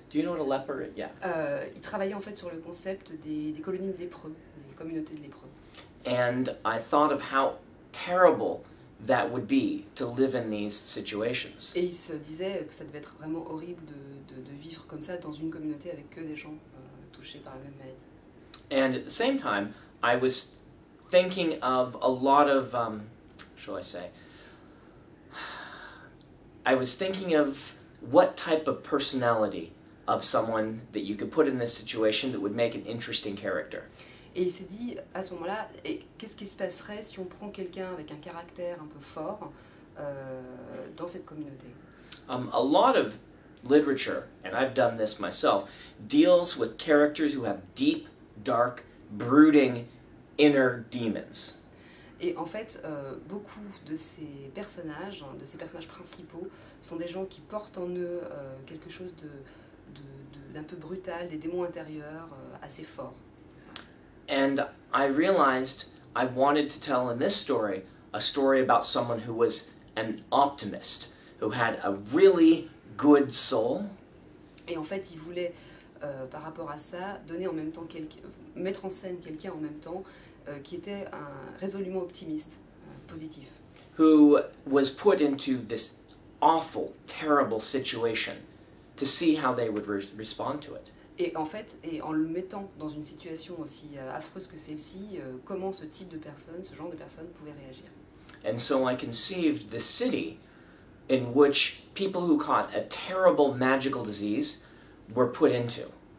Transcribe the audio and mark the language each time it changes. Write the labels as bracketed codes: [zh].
[en] Do you know what a leper is? Yeah. [fr] Il travaillait en fait sur le concept des colonies de lépreux, des communautés de lépreux. [en] And I thought of how terrible that would be to live in these situations. [fr] Et il se disait que ça devait être vraiment horrible de vivre comme ça dans une communauté avec que des gens touchés par la même maladie. [en] And at the same time, I was thinking of a lot of, shall I say, I was thinking of what type of personality of someone that you could put in this situation that would make an interesting character. [fr] Et il s'est dit, à ce moment-là, et qu'est-ce qui se passerait si on prend quelqu'un avec un caractère un peu fort dans cette communauté? [en] A lot of literature, and I've done this myself, deals with characters who have deep, dark, brooding, inner demons. [fr] Et en fait, beaucoup de ces personnages principaux, sont des gens qui portent en eux quelque chose d'un peu brutal, des démons intérieurs assez forts. [en] And I realized I wanted to tell in this story a story about someone who was an optimist, who had a really good soul. [fr] Et en fait, il voulait par rapport à ça, donner en même temps mettre en scène quelqu'un en même temps qui était un résolument optimiste, positif. [en] Who was put into this awful, terrible situation to see how they would respond to it. [fr] Et en fait, et en le mettant dans une situation aussi affreuse que celle-ci, comment ce type de personne, ce genre de personne pouvait réagir. [en] And so I conceived this city in which people who caught a terrible magical disease were put into.